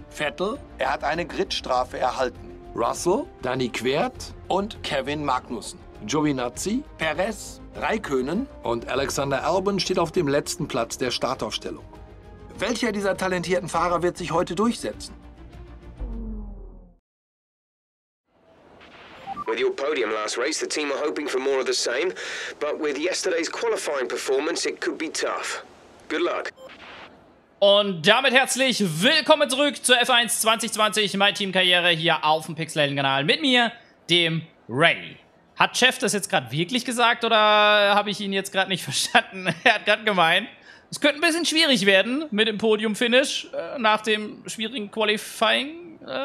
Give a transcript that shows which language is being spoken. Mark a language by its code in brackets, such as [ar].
[de] Vettel, er hat eine Gridstrafe erhalten. Russell, Dani Quert und Kevin Magnussen. Giovinazzi, Perez, Raikkonen und Alexander Albon steht auf dem letzten Platz der Startaufstellung. Welcher dieser talentierten Fahrer wird sich heute durchsetzen? [en] With your podium last race, the team are hoping for more of the same. But with yesterday's qualifying performance, it could be tough. Good luck. [de] Und damit herzlich willkommen zurück zur F1 2020, meine Teamkarriere hier auf dem Pixel-Helden-Kanal mit mir, dem Ray. Hat Chef das jetzt gerade wirklich gesagt oder habe ich ihn jetzt gerade nicht verstanden? Er hat gerade gemeint, es könnte ein bisschen schwierig werden mit dem Podium-Finish nach dem schwierigen Qualifying.